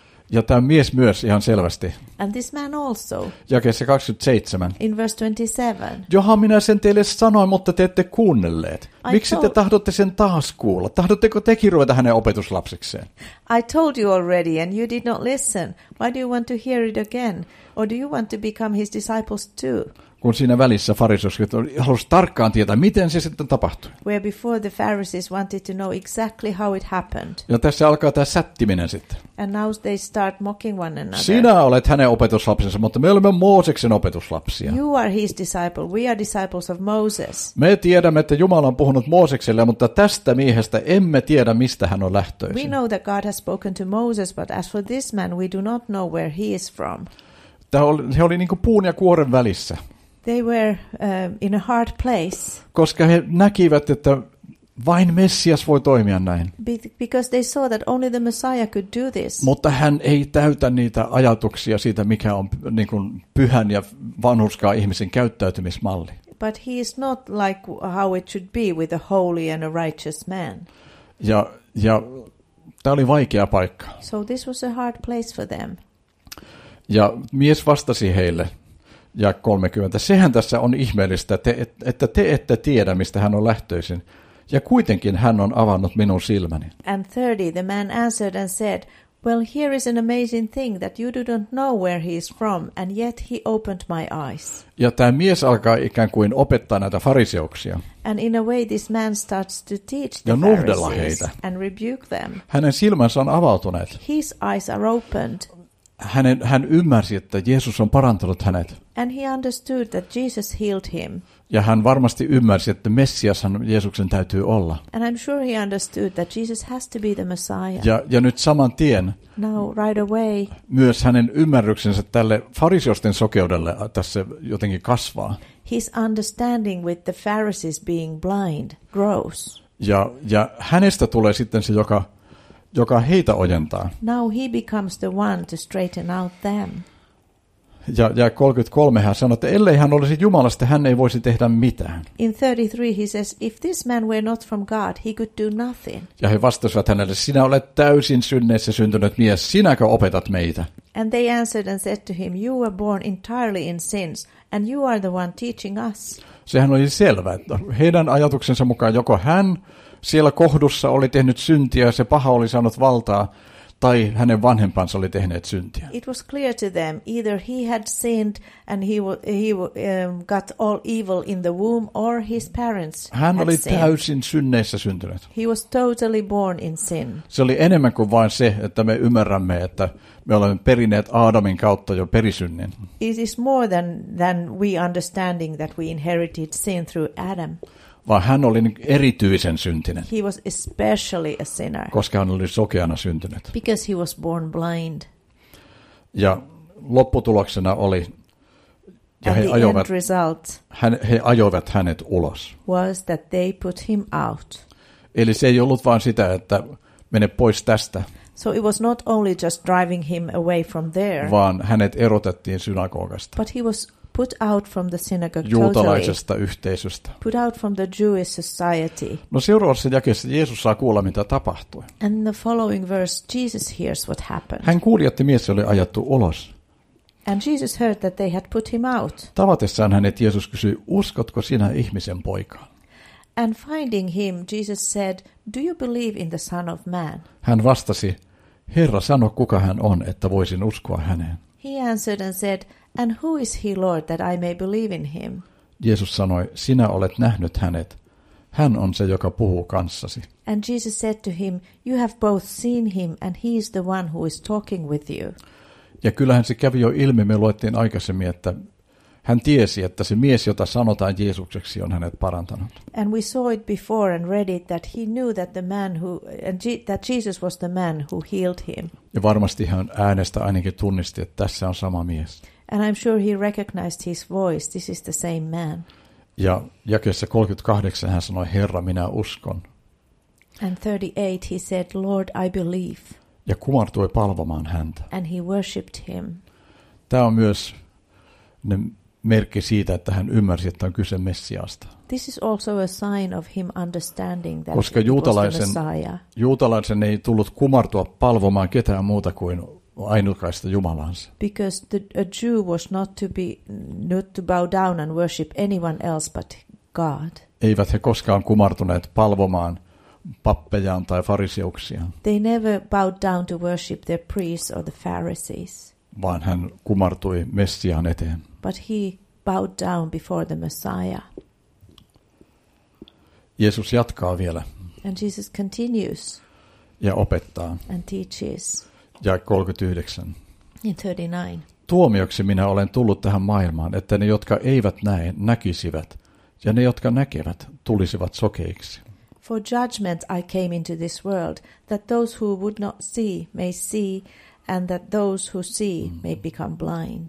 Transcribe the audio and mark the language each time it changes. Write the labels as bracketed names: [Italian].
[Finnish] Ja tämä mies myös ihan selvästi. [English] And this man also. [Finnish] Jakeessa 27. [English] In verse 27. [Finnish] Johan minä sen teille sanoin, mutta te ette kuunnelleet. Miksi te tahdotte sen taas kuulla? Tahdotteko tekin ruveta hänen opetuslapsikseen? [English] I told you already and you did not listen. Why do you want to hear it again? Or do you want to become his disciples too? [Finnish] Kun siinä välissä fariseukset halusi tarkkaan tietää, miten se sitten tapahtui. [English] Where before the Pharisees wanted to know exactly how it happened. [Finnish] Ja tässä alkaa tämä sättiminen sitten. [English] And now they start mocking one another. [Finnish] Sinä olet hänen opetuslapsensa, mutta me olemme Mooseksen opetuslapsia. [English] You are his disciple. We are disciples of Moses. [Finnish] Me tiedämme, että Jumala on puhunut Moosekselle, mutta tästä miehestä emme tiedä, mistä hän on lähtöisin. [English] We know that God has spoken to Moses, but as for this man, we do not know where he is from. [Finnish] He oli niin kuin puun ja kuoren välissä. [English] They were in a hard place. [Finnish] Koska he näkivät, että vain Messias voi toimia näin. [English] Because they saw that only the Messiah could do this. [Finnish] Mutta hän ei täytä niitä ajatuksia siitä, mikä on niin kuin pyhän ja vanhurskaan ihmisen käyttäytymismalli. [English] But he is not like how it should be with a holy and a righteous man. [Finnish] Ja tämä oli vaikea paikka. [English] So this was a hard place for them. [Finnish] Ja mies vastasi heille. Ja 30. Sehän tässä on ihmeellistä, että te ette tiedä, mistä hän on lähtöisin. Ja kuitenkin hän on avannut minun silmäni. [English] And 30, the man answered and said, well, here is an amazing thing that you do not know where he is from, and yet he opened my eyes. [Finnish] Ja tämä mies alkaa ikään kuin opettaa näitä fariseuksia. [English] And in a way this man starts to teach the [Finnish] ja nuhdella heitä. [English] And rebuke them. [Finnish] Hänen silmänsä on avautuneet. [English] His eyes are opened. [Finnish] Hän ymmärsi, että Jeesus on parantanut hänet. [English] And he understood that Jesus healed him. [Finnish] Ja hän varmasti ymmärsi, että Messias hän Jeesuksen täytyy olla. [English] And I'm sure he understood that Jesus has to be the Messiah. [Finnish] Ja nyt saman tien. [English] Now right away. [Finnish] Myös hänen ymmärryksensä tälle fariseusten sokeudelle tässä jotenkin kasvaa. [English] His understanding with the Pharisees being blind grows. [Finnish] Ja hänestä tulee sitten se, joka heitä ojentaa. [English] Now he becomes the one to straighten out them. [Finnish] Ja 33 hän sanoi, että ellei hän olisi Jumalasta, hän ei voisi tehdä mitään. [English] In 33 he says, if this man were not from God, he could do nothing. [Finnish] Ja he vastasivat hänelle, sinä olet täysin synneissä syntynyt mies, sinäkö opetat meitä? [English] And they answered and said to him, you were born entirely in sins, and you are the one teaching us. [Finnish] Sehän oli selvä, että heidän ajatuksensa mukaan joko hän siellä kohdussa oli tehnyt syntiä ja se paha oli saanut valtaa, tai hänen vanhempansa oli tehneet syntiä. [English] It was clear to them either he had sinned and he got all evil in the womb or his parents. [Finnish] Hän oli täysin synneissä syntynyt. [English] He was totally born in sin. [Finnish] Se oli enemmän kuin vain se, että me ymmärrämme, että me olemme perineet Aadamin kautta jo perisynnin. [English] It is more than we understanding that we inherited sin through Adam. [Finnish] Vaan hän oli erityisen syntinen. [English] He was especially a sinner. [Finnish] Koska hän oli sokeana syntynyt. [English] Because he was born blind. [Finnish] Ja lopputuloksena oli, ja he ajoivat, he ajoivat hänet ulos. [English] Was that they put him out. [Finnish] Eli se ei ollut vain sitä, että mene pois tästä. [English] So it was not only just driving him away from there. [Finnish] Vaan hänet erotettiin synagogasta. [English] But he was put out from the synagogue, [Finnish] juutalaisesta [English] totally [Finnish] yhteisöstä. [English] Put out from the Jewish society. [Finnish] No seuraavassa jakeessa Jeesus saa kuulla, mitä tapahtui. [English] And the following verse, Jesus hears what happened. [Finnish] Hän kuuli, että mies oli ajettu ulos. [English] And Jesus heard that they had put him out. [Finnish] Tavatessaan hänet Jeesus kysyi, uskotko sinä ihmisen poikaan? [English] And finding him, Jesus said, do you believe in the Son of Man? [Finnish] Hän vastasi, Herra, sano, kuka hän on, että voisin uskoa häneen. [English] He answered and said, and who is he, Lord, that I may believe in him? [Finnish] Jeesus sanoi, sinä olet nähnyt hänet. Hän on se, joka puhuu kanssasi. [English] And Jesus said to him, you have both seen him, and he is the one who is talking with you. [Finnish] Ja kyllähän se kävi jo ilmi, me luettiin aikaisemmin, että hän tiesi, että se mies, jota sanotaan Jeesukseksi, on hänet parantanut. [English] And we saw it before and read it that he knew that the man who and that Jesus was the man who healed him. [Finnish] Ja varmasti hän äänestä ainakin tunnisti, että tässä on sama mies. [English] And I'm sure he recognized his voice. This is the same man. [Finnish] Ja jakeessa 38 hän sanoi, Herra, minä uskon. [English] And 38 he said, Lord, I believe. [Finnish] Ja kumartui palvomaan häntä. [English] And he worshipped him. [Finnish] Tämä on myös ne merkki siitä, että hän ymmärsi, että on kyse Messiasta. [English] This is also a sign of him understanding that. [Finnish] Koska juutalaisen ei tullut kumartua palvomaan ketään muuta kuin ainutkaista Jumalansa. [English] Because a Jew was not to bow down and worship anyone else but God. [Finnish] Eivät he koskaan kumartuneet palvomaan pappejaan tai fariseuksiaan. [English] They never bowed down to worship their priests or the Pharisees. [Finnish] Vaan hän kumartui Messiaan eteen. [English] But he bowed down before the Messiah. [Finnish] Jeesus jatkaa vielä. [English] And Jesus continues. [Finnish] Ja opettaa. [English] And teaches. [Finnish] Ja 39. [English] In 39. [Finnish] Tuomioksi minä olen tullut tähän maailmaan, että ne, jotka eivät näe, näkisivät, ja ne, jotka näkevät, tulisivat sokeiksi. [English] For judgment I came into this world, that those who would not see may see, and that those who see may become blind.